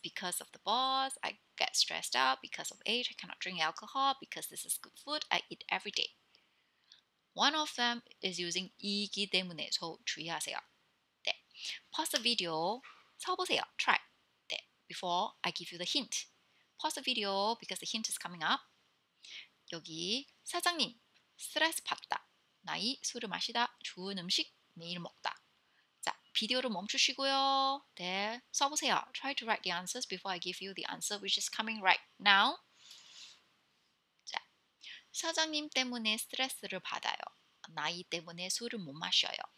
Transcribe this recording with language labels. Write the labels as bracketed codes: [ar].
[en] Because of the boss, I get stressed out. Because of age, I cannot drink alcohol. Because this is good food, I eat every day. One of them is using 이기 때문에, so [ko] 주의하세요. 네. [en] Pause the video, [ko] 써보세요. [en] Try. [ko] 네. [en] Before I give you the hint. Pause the video because the hint is coming up. [ko] 여기 사장님, 스트레스 받다. 나이, 술을 마시다. 좋은 음식, 매일 먹다. 자, 비디오를 멈추시고요. 네, 써보세요. [en] Try to write the answers before I give you the answer, which is coming right now. [ko] 사장님 때문에 스트레스를 받아요. 나이 때문에 술을 못 마셔요.